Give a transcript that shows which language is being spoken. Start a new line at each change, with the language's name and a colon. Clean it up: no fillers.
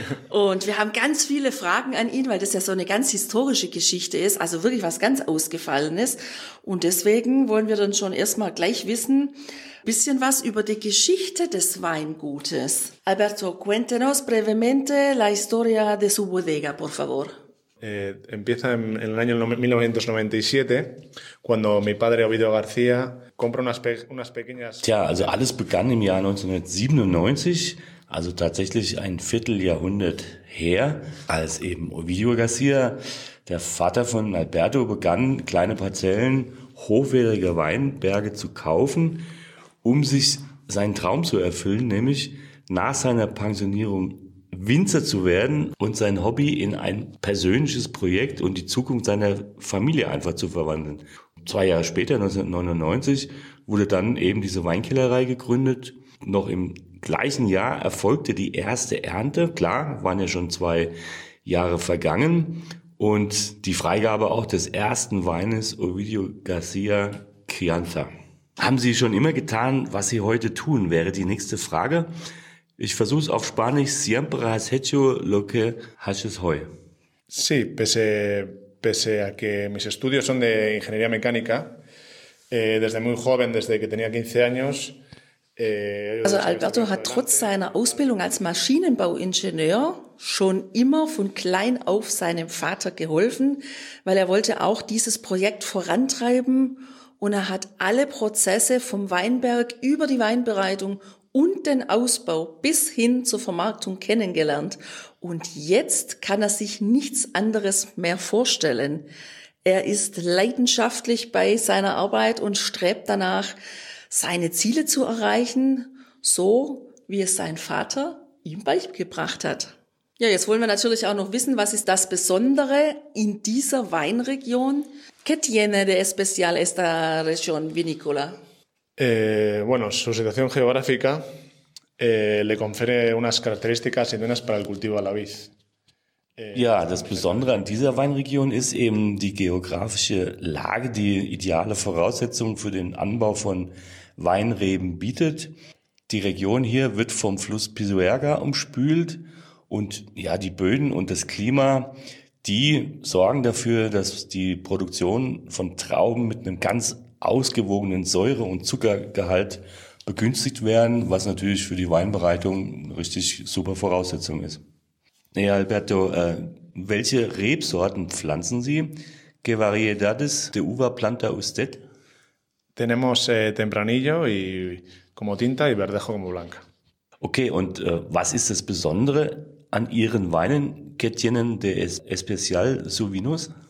German: Und wir haben ganz viele Fragen an ihn, weil das ja so eine ganz historische Geschichte ist, also wirklich was ganz Ausgefallenes. Und deswegen wollen wir dann schon erstmal gleich wissen, bisschen was über die Geschichte des Weingutes.
Spanish: Alberto, cuéntenos brevemente la historia de su bodega, por favor. Empieza en el año 1997, cuando mi padre Ovidio García compra unas pequeñas...
German: Tja, also alles begann im Jahr 1997, also tatsächlich ein Vierteljahrhundert her, als eben Ovidio García, der Vater von Alberto, begann, kleine Parzellen hochwertiger Weinberge zu kaufen, um sich seinen Traum zu erfüllen, nämlich nach seiner Pensionierung Winzer zu werden und sein Hobby in ein persönliches Projekt und die Zukunft seiner Familie einfach zu verwandeln. Zwei Jahre später, 1999, wurde dann eben diese Weinkellerei gegründet. Noch im gleichen Jahr erfolgte die erste Ernte. Klar, waren ja schon zwei Jahre vergangen. Und die Freigabe auch des ersten Weines Ovidio Garcia Crianza. Haben Sie schon immer getan, was Sie heute tun, wäre die nächste Frage. Ich versuche es auf Spanisch.
Spanish: Siempre has hecho lo que haces hoy. Sí, pese a que mis estudios son de ingeniería mecánica, desde muy joven, desde que tenía 15 años.
German: Also Alberto hat trotz seiner Ausbildung als Maschinenbauingenieur schon immer von klein auf seinem Vater geholfen, weil er wollte auch dieses Projekt vorantreiben und er hat alle Prozesse vom Weinberg über die Weinbereitung und den Ausbau bis hin zur Vermarktung kennengelernt. Und jetzt kann er sich nichts anderes mehr vorstellen. Er ist leidenschaftlich bei seiner Arbeit und strebt danach, seine Ziele zu erreichen, so wie es sein Vater ihm beigebracht hat. Ja, jetzt wollen wir natürlich auch noch wissen, was ist das Besondere in dieser Weinregion?
Spanish: ¿Qué tiene de especial esta región vinícola? Bueno, su situación geográfica le confiere unas características idóneas para el cultivo de la vid.
German: Ja, das Besondere an dieser Weinregion ist eben die geografische Lage, die ideale Voraussetzungen für den Anbau von Weinreben bietet. Die Region hier wird vom Fluss Pisuerga umspült und ja, die Böden und das Klima, die sorgen dafür, dass die Produktion von Trauben mit einem ganz ausgewogenen Säure- und Zuckergehalt begünstigt werden, was natürlich für die Weinbereitung richtig super Voraussetzung ist. Ja, Alberto, Welche Rebsorten pflanzen Sie?
Spanish: ¿Qué variedades de uva planta usted? Tenemos Tempranillo y como tinta y Verdejo como blanca.
German: Okay, und was ist das Besondere an Ihren Weinen?
Spanish: ¿Qué tienen de especial sus vinos?